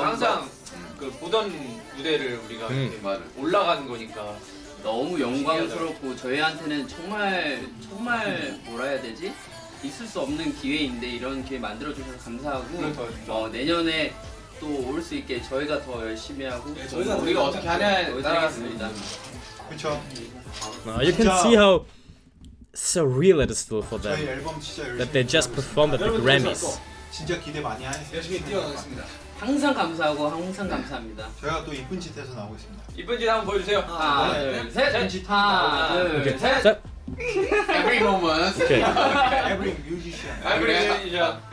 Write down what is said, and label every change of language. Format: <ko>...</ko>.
<ko>항상 그 보던 무대를 우리가 이렇게 막 올라가는 거니까 너무 영광스럽고 저희한테는 정말 뭐라 해야 되지? 있을 수 없는 기회인데 이런 기회 만들어 주셔서 감사하고 내년에 또 올 수 있게 저희가 더 열심히 하고 네, 저희가 우리가 어떻게 하냐에 따라겠습니다. 그렇죠.</ko> <en>You can see how surreal it is still for them.</en> <ko>저희 앨범 진짜 열심히</ko> <en>That they just performed at the Grammys.</en> <ko>진짜 기대 많이 하겠습니다. 열심히 뛰어가겠습니다. 항상 감사하고 항상 네. 감사합니다. 저희가 또 이쁜 짓 해서 나오고 있습니다. 이쁜 짓 한번 보여주세요. 하나 둘 셋</ko> <en>Every moment. Okay. Every musician. Every musician.</en>